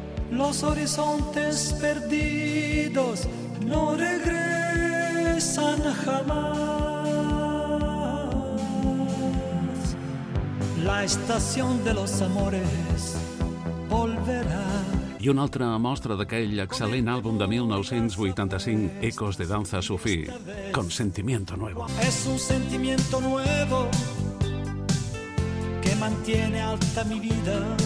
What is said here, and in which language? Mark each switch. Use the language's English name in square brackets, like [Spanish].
[Spanish] Los horizontes perdidos no regresan jamás. La estación de los amores volverá. [Catalan] I una altra mostra d'aquell excel·lent àlbum de 1985, Ecos de Danza Sufí, con Sentimiento Nuevo. [Spanish] Es un sentimiento nuevo que mantiene alta mi vida.